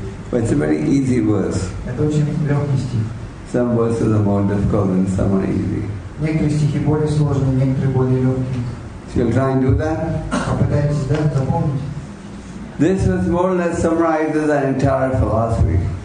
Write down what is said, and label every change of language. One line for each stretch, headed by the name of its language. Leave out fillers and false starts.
English: But it's a very easy verse.
Russian: Это очень легкий стих.
English: Some verses are more difficult and some are easy.
Russian: Некоторые стихи более сложные, некоторые более легкие.
English: So you'll try and do that?
Russian: Попытайтесь, да, запомнить.
English: This was more or less summarizes our entire philosophy.